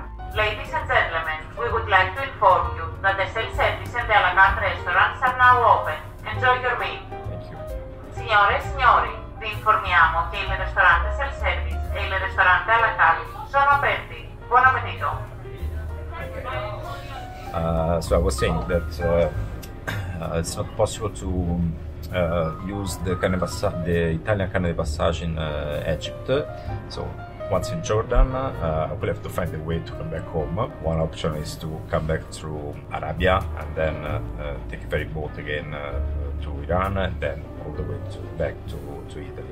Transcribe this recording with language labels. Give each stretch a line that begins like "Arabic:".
English: Ladies and gentlemen, we would like to inform you that the self-service and the a la carte restaurants are now open. Enjoy your meal. Thank you.
Italian: Signore e signori, vi informiamo che il ristorante self-service e il ristorante a la carte sono aperti. Buon appetito.
English: So I was saying that it's not possible to used the canal passage, the Italian canal passage in Egypt. So once in Jordan, I will have to find a way to come back home. One option is to come back through Arabia and then take a ferry boat again to Iran and then all the way to, back to Italy.